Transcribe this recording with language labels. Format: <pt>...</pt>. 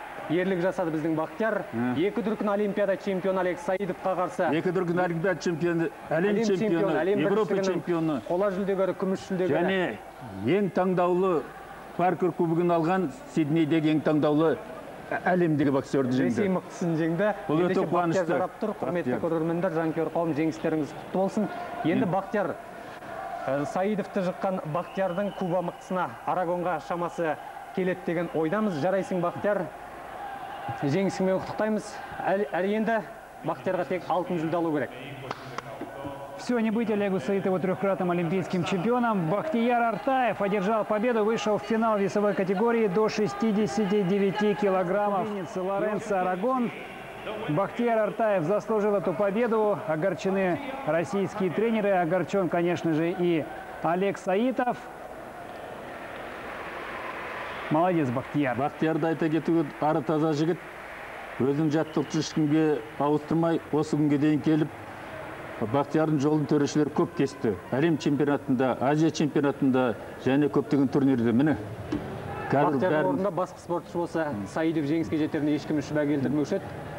<kk>Ерлік жасады біздің Бақтияр. Екі дүркін олимпиада чемпионы Алекс Саидовқа қарсы. Екі дүркін олимпиада чемпионы, әлем чемпионы, Европа чемпионы. Қола жүлдегері, күміс жүлдегері. Және ең таңдаулы паркур кубогын алған Сиднейдегі ең таңдаулы әлемдегі боксерді жеңді. Ресей мықтысын жеңді. Бұл өте қуанышты. Жарап тұр. Құрметті көрермендер, жанкүйер қауым, жеңістеріңіз құтты болсын. Енді Бақтияр Саидовты жыққан Бақтиярдың Куба мықтысына Арагонға шамасы келеді деген ойдамыз. Жарайсың Бақтияр. Жеңісіңмен құттықтаймыз. Әлі енді Бақтиярға тек алтын жүлде алу керек.</kk> <ru>Все, не быть Олегу Саитову трехкратным олимпийским чемпионом. Бахтияр Артаев одержал победу, вышел в финал весовой категории до 69 килограммов. Лоренцо Арагон. Бахтияр Артаев заслужил эту победу. Огорчены российские тренеры. Огорчен, конечно же, и Олег Саитов. Молодец, Бахтияр.</ru> <kk>Бахтияр да</kk> <ru>это где-то</ru> <kk>пара таза жигит. Өзін жаттықтырушыңге ауыстырмай, осы күнге дейін келіп, Бахтиярдың жолын төрешілер көп кесті. Әлем чемпионатында, Азия чемпионатында, және көптеген турнирде. Міне. Бахтиярдың орнында басқа спортшы болса, Саидов жеңіске жетеріне ешкім шүбә келтірмеуші еді.</kk>